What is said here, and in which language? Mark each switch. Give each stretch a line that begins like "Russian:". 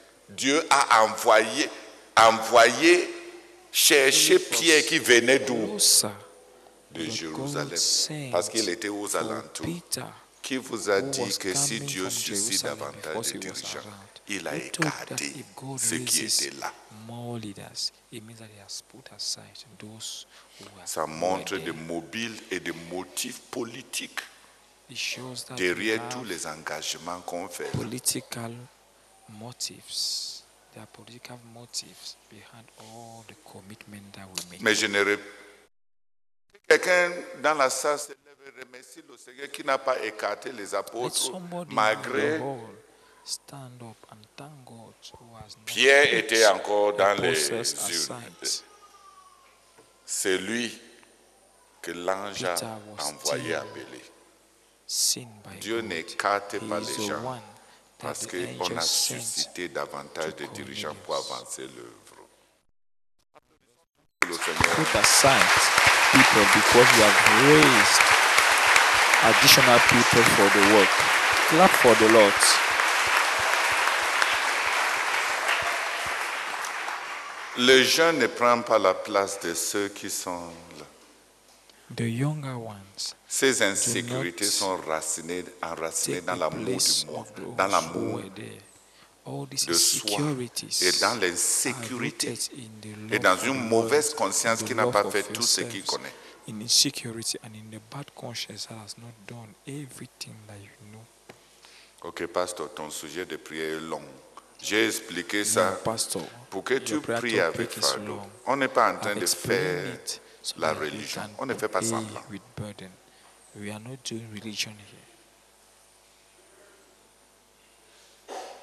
French: Dieu a envoyé chercher Pierre qui venait d'où? De Jérusalem. Parce qu'il était aux alentours. Qui vous a dit que si Dieu suscite davantage de dirigeants, il a écarté ceux qui étaient là.
English: More leaders, it means that he has put aside those who are
French: ça montre des mobiles et des motifs politiques
English: it shows that
French: derrière tous les engagements qu'on fait.
English: Political motives. There are political motives behind all the commitment that we make.
French: Mais je ne répète pas. Quelqu'un dans la salle se lève et remercie le Seigneur qui n'a pas écarté les apôtres malgré.
English: Stand up and thank God who has
French: Pierre était encore dans les urnes. C'est lui que l'ange a envoyé appeler. Dieu n'écarte pas les gens parce qu'on a suscité davantage de dirigeants pour avancer l'œuvre.
English: Put aside people because you have raised additional people for the work. Clap for the Lord.
French: Le jeune ne prend pas la place de ceux qui sont là.
English: The younger ones.
French: Ces insécurités sont enracinées dans l'amour du moi, dans l'amour de soi, et dans l'insécurité, et dans une mauvaise conscience qui n'a pas fait tout ce qu'il connaît.
English: In insecurity and in the bad conscience that has not done everything that you know.
French: Ok, pasteur, ton sujet de prière est long. J'ai expliqué ça.
English: Pastor,
French: pour que tu pries avec fardeau. On n'est pas en train de faire la religion. On ne fait pas semblant.
English: We are not doing religion here.